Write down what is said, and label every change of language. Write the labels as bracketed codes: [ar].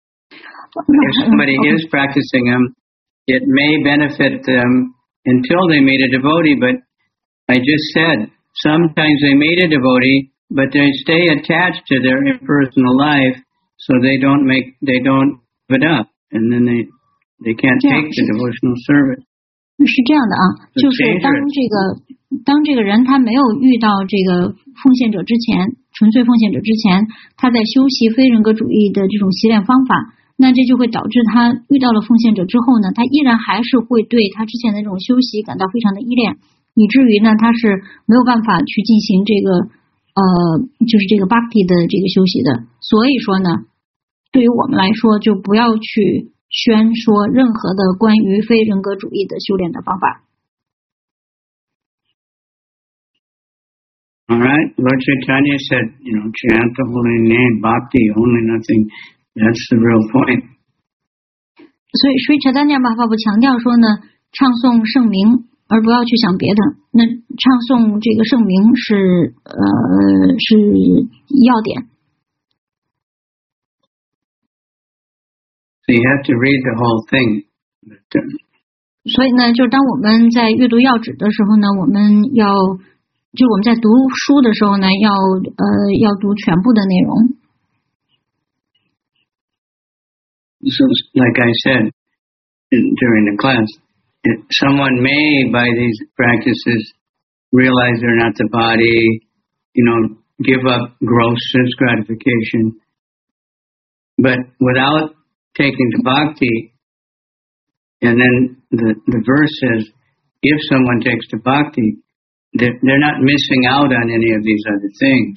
[en] If somebody is practicing them, it may benefit them until they meet a devotee. But I just said, sometimes they meet a devotee, but they stay attached to their impersonal life, so they don't give it up. And then they can't take the devotional service. [zh] 是这样的啊, 就是当这个人他没有遇到这个奉献者之前, 纯粹奉献者之前, 他在修习非人格主义的这种习练方法, 那这就会导致他遇到了奉献者之后呢, 他依然还是会对他之前的这种修习感到非常的依恋, 以至于呢, 他是没有办法去进行这个, 就是这个 bhakti的这个修习的, 所以说呢, 对于我们来说, 就不要去宣说任何的关于非人格主义的修炼的方法。 [en] Alright, Lord Chaitanya said, you know, chant the holy name, bhakti, only nothing. That's the real point. [zh] 所以, Sri Chaitanya Mahaprabhu强调说呢, 唱诵圣名, 而不要去想别的, 那唱诵这个圣名是, 是要点。 [en] So you have to read the whole thing. [zh] 所以呢, 就当我们在阅读要旨的时候呢, 我们要, 就我们在读书的时候呢, 要, 要读全部的内容。 [en] So, like I said during the class, someone may, by these practices, realize they're not the body, you know, give up gross sense gratification, but without taking the bhakti, and then the verse says, if someone takes the bhakti, they're not missing out on any of these other things.